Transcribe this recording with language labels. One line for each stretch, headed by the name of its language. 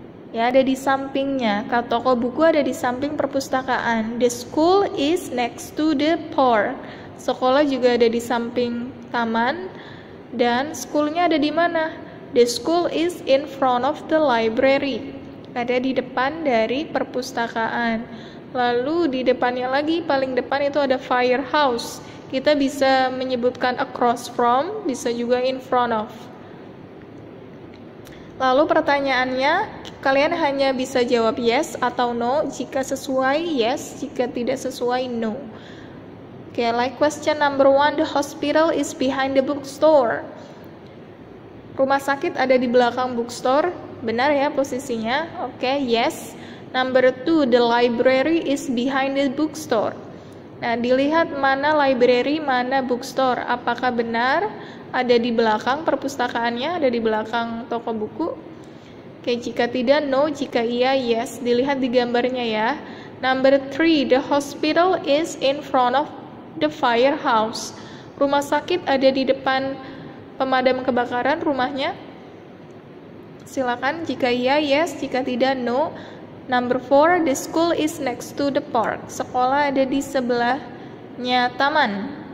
Indonesian: Ya, ada di sampingnya. Toko buku ada di samping perpustakaan.
English: The school is next to the park.
Indonesian: Sekolah juga ada di samping taman. Dan schoolnya ada di mana?
English: The school is in front of the library.
Indonesian: Ada di depan dari perpustakaan. Lalu di depannya lagi, paling depan itu ada firehouse. Kita bisa menyebutkan across from, bisa juga in front of. Lalu pertanyaannya, kalian hanya bisa jawab yes atau no. Jika sesuai, yes. Jika tidak sesuai, no.
English: Okay, like question number 1, the hospital is behind the bookstore.
Indonesian: Rumah sakit ada di belakang bookstore. Benar ya posisinya? Okay, yes.
English: Number 2, the library is behind the bookstore.
Indonesian: Nah, dilihat mana library, mana bookstore. Apakah benar? Ada di belakang perpustakaannya, ada di belakang toko buku. Oke, jika tidak, no. Jika iya, yes. Dilihat di gambarnya ya.
English: Number 3, the hospital is in front of the firehouse.
Indonesian: Rumah sakit ada di depan pemadam kebakaran rumahnya. Silakan, jika iya, yes. Jika tidak, no.
English: Number 4, the school is next to the park.
Indonesian: Sekolah ada di sebelahnya taman.